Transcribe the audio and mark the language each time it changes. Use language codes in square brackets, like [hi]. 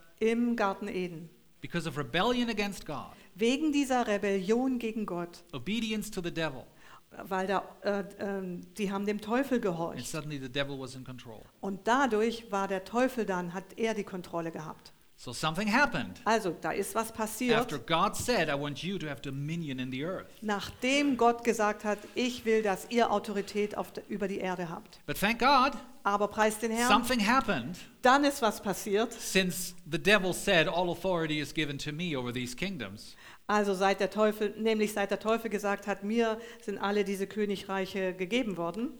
[de] im Garten Eden, [en] because of rebellion against God, [de] wegen dieser Rebellion gegen Gott, [en] obedience to the devil, [de] weil da die haben dem Teufel gehorcht, [en] and suddenly the devil was in control. [de] Und dadurch war der Teufel dann, hat er die Kontrolle gehabt. [en] So something happened. [de] Also, da ist was passiert. [en] After God said, "I want you to have dominion in the earth." [de] Nachdem Gott gesagt hat, ich will, dass ihr Autorität über die Erde habt. [en] But thank God. [de] Aber preist den Herrn. [en] Something happened. [de] Dann ist was passiert. [en] Since the devil said, "All authority is given to me over these kingdoms." [de] Also seit der Teufel gesagt hat, mir sind alle diese Königreiche gegeben worden.